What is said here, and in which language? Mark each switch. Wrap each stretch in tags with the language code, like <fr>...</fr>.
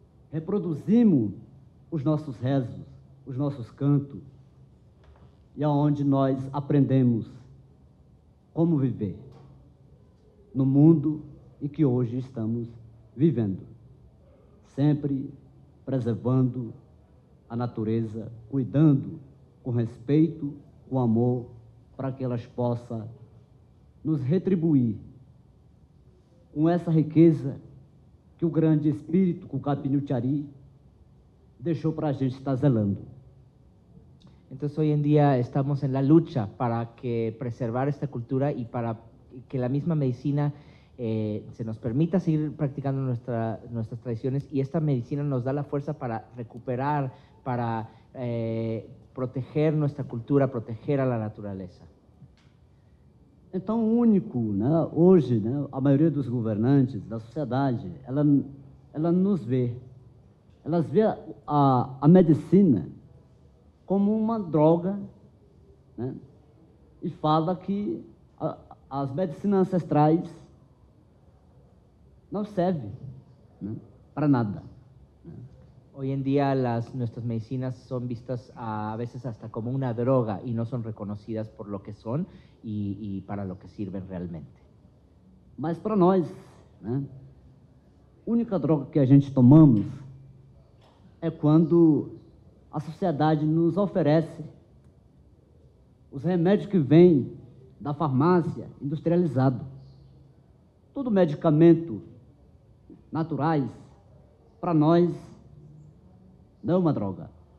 <pt>reproduzimos os nossos rezos, os nossos cantos, e aonde nós aprendemos como viver no mundo em que hoje estamos vivendo, sempre preservando a natureza, cuidando com respeito, com amor, para que elas possam nos retribuir com essa riqueza que o grande espírito Cucapinhutiari deixou para a gente estar zelando.</pt> <es>Entonces hoy en día estamos en la lucha para que preservar esta cultura y para que la misma medicina se nos permita seguir practicando nuestras tradiciones, y esta medicina nos da la fuerza para recuperar, para proteger nuestra cultura, proteger a la naturaleza. Entonces, único, ¿no? Hoy, ¿no? La mayoría de los gobernantes, de la sociedad, ella nos ve, ellas ve a medicina como</es> <pt>uma droga, né? E fala que as medicinas ancestrais não servem, né? Para nada.</pt> <es>Hoy en día las nuestras medicinas son vistas a veces hasta como una droga y no son reconocidas por lo que son y para lo que sirven realmente.</es> <pt>Mas para nós, né? Única droga que a gente tomamos é quando a sociedade nos oferece os remédios que vêm da farmácia industrializado. Todo medicamento naturais, para nós, não é uma droga.</pt>